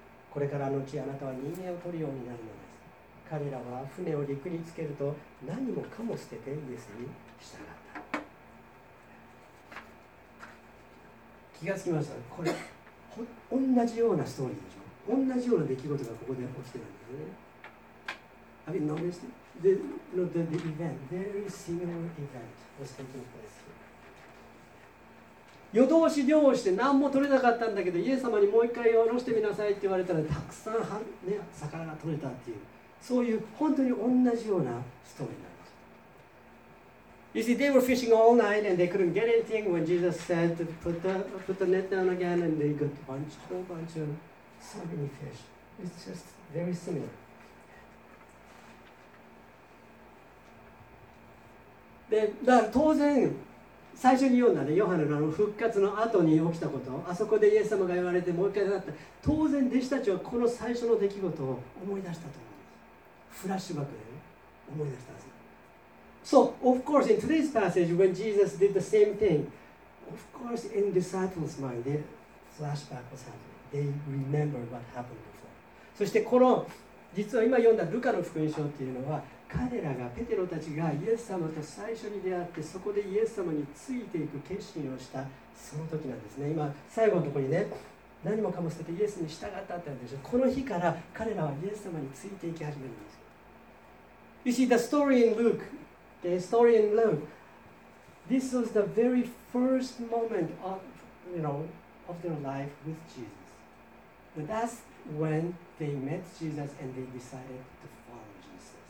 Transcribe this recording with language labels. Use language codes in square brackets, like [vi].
[ja] これからのうちあなたは人間を取るようになるのです。彼らは船を陸につけると何もかも捨ててイエスに従った。気がつきました。これ同じようなストーリーでしょ。同じような出来事がここで起きてるんですね。 [en] I mean, noticed the, no, the event, very similar event was taking place. [ja] 夜通し漁をして何も取れなかったんだけど、イエス様にもう一回下ろしてみなさいって言われたら、たくさん、ね、魚が取れたっていう、そういう本当に同じようなストーリーになります。 [en] You see, they were fishing all night and they couldn't get anything when Jesus said to put the net down again and they got a whole bunch of so many fish. It's just very similar. [ja] でだから当然最初に読んだね、ヨハネのあの復活の後に起きたこと、あそこでイエス様が言われてもう一回だった、当然弟子たちはこの最初の出来事を思い出したと思うんです。フラッシュバックで、ね、思い出したんです。 [en] So of course in today's passage when Jesus did the same thing, of course in disciples' mind the flashback was happening. They remembered what happened before. [ja] そしてこの実は今読んだルカの福音書っていうのは、彼らがペテロたちがイエス様と最初に出会って、そこでイエス様についていく決心をしたその時なんですね。今最後のところにね、何もかも捨ててイエスに従ったってあるでしょ。この日から彼らはイエス様についていき始めるんです。 [en] You see the story in Luke. The story in Luke. This was the very first moment of, you know, of their life with Jesus. But that's when they met Jesus and they decided to follow Jesus.